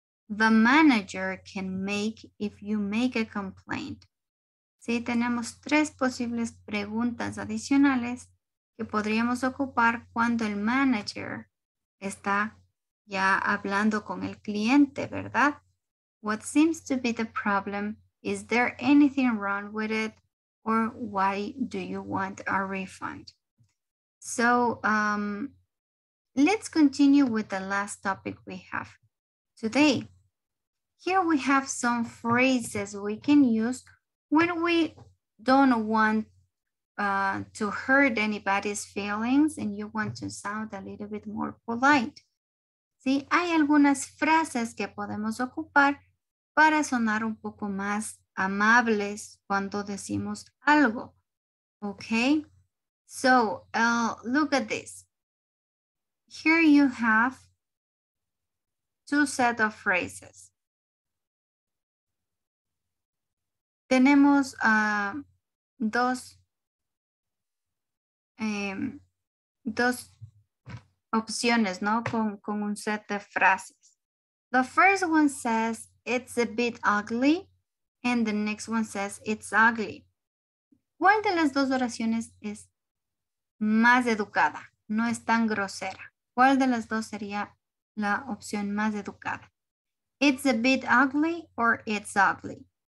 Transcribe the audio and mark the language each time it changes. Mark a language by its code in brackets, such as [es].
[en] The manager can make if you make a complaint. [es] Sí, tenemos tres posibles preguntas adicionales que podríamos ocupar cuando el manager está ya hablando con el cliente, ¿verdad? [en] What seems to be the problem? Is there anything wrong with it? Or why do you want a refund? So let's continue with the last topic we have today. Here we have some phrases we can use when we don't want to hurt anybody's feelings and you want to sound a little bit more polite. [es] ¿Sí? Hay algunas frases que podemos ocupar para sonar un poco más amables cuando decimos algo. [en] Okay, so look at this. Here you have two set of phrases. [es] Tenemos dos opciones, ¿no? Con un set de frases. [en] The first one says, it's a bit ugly. And the next one says, it's ugly. [es] ¿Cuál de las dos oraciones es más educada? No es tan grosera. ¿Cuál de las dos sería la opción más educada? [en] It's a bit ugly or it's ugly.